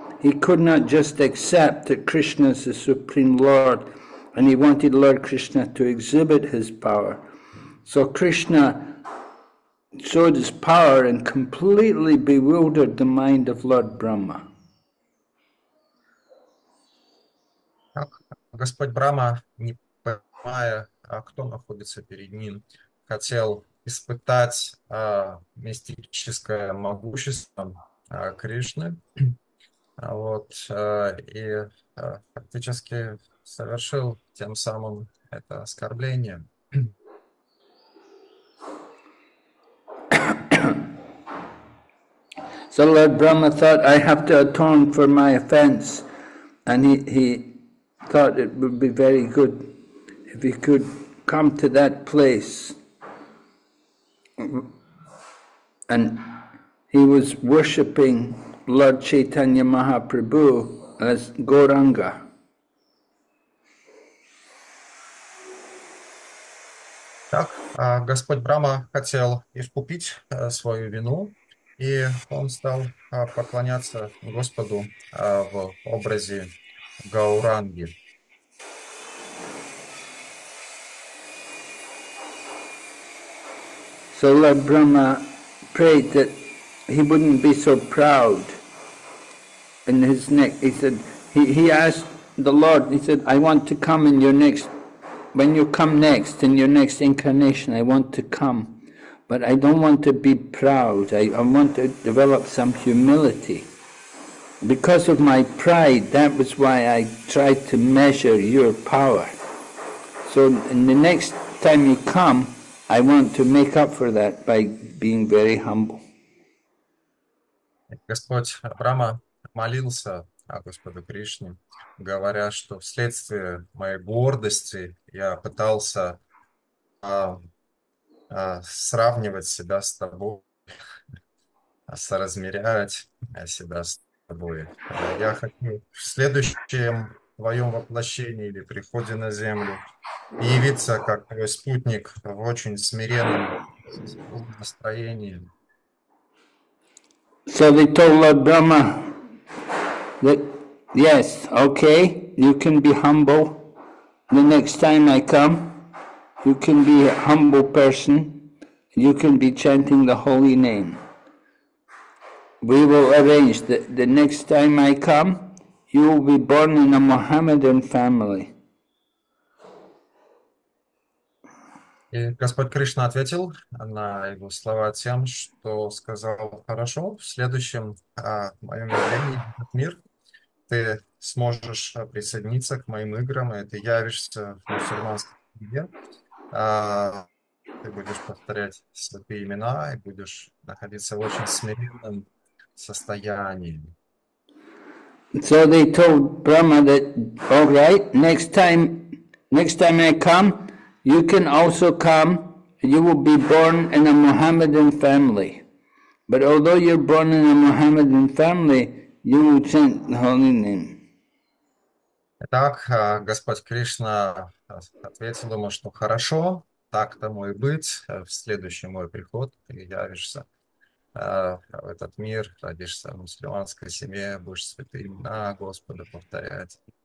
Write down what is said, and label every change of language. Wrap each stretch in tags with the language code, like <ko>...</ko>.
<en>He could not just accept that Krishna is the Supreme Lord, and he wanted Lord Krishna to exhibit his power. So Krishna showed his power and completely bewildered the mind of Lord Brahma.</en> <ru>Господь Брахма, не понимая, кто находится перед ним, хотел испытать мистическое могущество Кришны. Вот, и фактически совершил тем самым это оскорбление.</ru> <en>So Lord Brahma thought, I have to atone for my offense. And he thought it would be very good if he could come to that place. And he was worshipping Lord Chaitanya Mahaprabhu as Gauranga.</en> <ru>Так, Господь Брахма хотел искупить свою вину, и он стал поклоняться Господу в образе Гауранги.</ru> <en>So Lord Brahma prayed that he wouldn't be so proud in his neck. He said, he asked the Lord, he said, I want to come in your next, when you come next, in your next incarnation, I want to come. But I don't want to be proud. I want to develop some humility. Because of my pride, that was why I tried to measure your power. So in the next time you come, I want to make up for that by being very humble.</en> <ru>Господь Брахма молился о Господе Кришне, говоря, что вследствие моей гордости я пытался сравнивать себя с тобой, соразмерять себя с тобой. Я хочу в следующем твоем воплощении или приходе на землю явиться как твой спутник в очень смиренном настроении.</ru> <en>So they told Lord Brahma that, yes, okay, you can be humble. The next time I come, you can be a humble person. You can be chanting the holy name. We will arrange that the next time I come, you will be born in a Mohammedan family.</en> <ru>И Господь Кришна ответил на его слова тем, что сказал: «Хорошо, в следующем моем явлении в этот мир ты сможешь присоединиться к моим играм, и ты явишься в мусульманской семье. Ты будешь повторять святые имена и будешь находиться в очень смиренном состоянии».</ru> <en>So they told Brahma that, all right, next time I come, you can also come, you will be born in a Mohammedan family. But although you're born in a Mohammedan family, you will chant the holy name.</en> <ru>Итак, Господь Кришна ответил ему, что хорошо, так тому и быть, в следующий мой приход ты явишься в этот мир, родишься в мусульманской семье, будешь святые имена Господа повторять.</ru>